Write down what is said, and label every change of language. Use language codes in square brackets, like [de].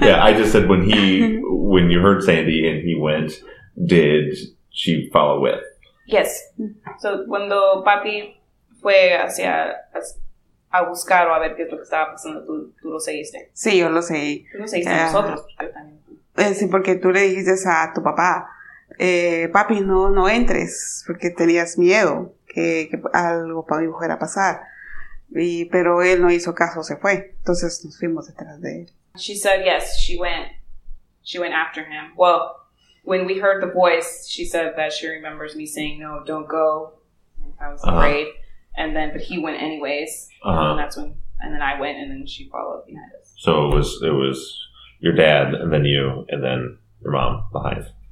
[en] Yeah, I just said when you heard Sandy and he went, did she follow with? Yes. [es] So, cuando papi fue hacia a buscar o a ver qué es lo que estaba pasando, tú lo seguiste. Sí, yo lo seguí. Tú lo seguiste a nosotros. Sí, porque tú le dijiste a tu papá, papi, no entres, porque tenías miedo que algo para mi mujer a pasar. Y, pero él no hizo caso, se fue. Entonces nos fuimos detrás de él. [en] She said, yes, she went after him. Well, when we heard the voice, she said that she remembers me saying, no, don't go. I was afraid. Uh-huh. And then, but he went anyways. Uh-huh. And that's when, and then I went, and then she followed behind us. So it was your dad, and then you, and then your mom behind.